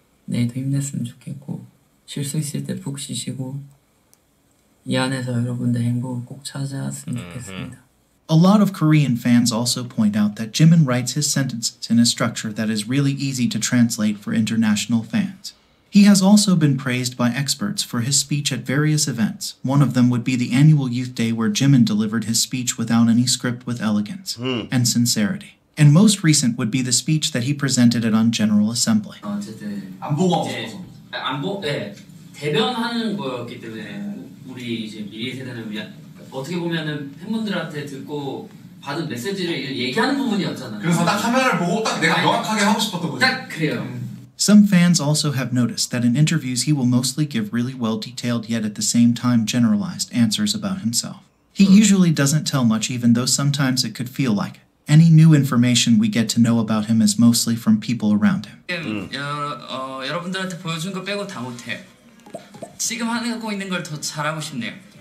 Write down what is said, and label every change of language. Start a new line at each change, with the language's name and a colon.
Korean: 네, 더 힘냈으면 좋겠고 쉴 수 있을 때 푹 쉬시고 이 안에서 여러분들 행복을 꼭 찾아왔으면 좋겠습니다.
English: A lot of Korean fans also point out that Jimin writes his sentences in a structure that is really easy to translate for international fans. He has also been praised by experts for his speech at various events. One of them would be the annual Youth Day where Jimin delivered his speech without any script with elegance and sincerity. And most recent would be the speech that he presented at on General Assembly.
Korean: 어쨌든 안보가 안보 예 대변하는 거였기 때문에 우리 이제 미래 세대는 어떻게 보면은 팬분들한테 듣고 받은 메시지를 얘기하는 부분이었잖아요. 그래서 딱 카메라를 보고 딱 내가 명확하게 하고 싶었던 거지. 딱 그래요.
English: Some fans also have noticed that in interviews he will mostly give really well detailed yet at the same time generalized answers about himself. He usually doesn't tell much, even though sometimes it could feel like it. Any new information we get to know about him is mostly from people around him.
Korean: 여러분들한테 보여준 거 빼고 다 못해. 지금 하고 있는 걸 더 잘하고 싶네요.